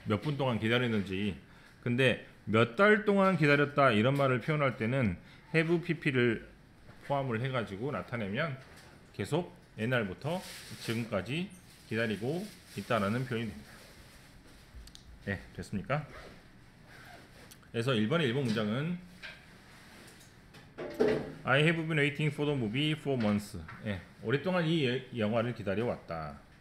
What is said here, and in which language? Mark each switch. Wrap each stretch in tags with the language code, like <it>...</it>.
<ko>몇 분 동안 기다렸는지. 근데 몇 달 동안 기다렸다 이런 말을 표현할 때는 have pp를 포함을 해가지고 나타내면 계속 옛날부터 지금까지 기다리고 있다라는 표현이 됩니다. 네, 됐습니까? 그래서 1번의 1번 문장은</ko> <en>I have been waiting for the movie for months.</en> <ko>네, 오랫동안 이 영화를 기다려왔다.</ko>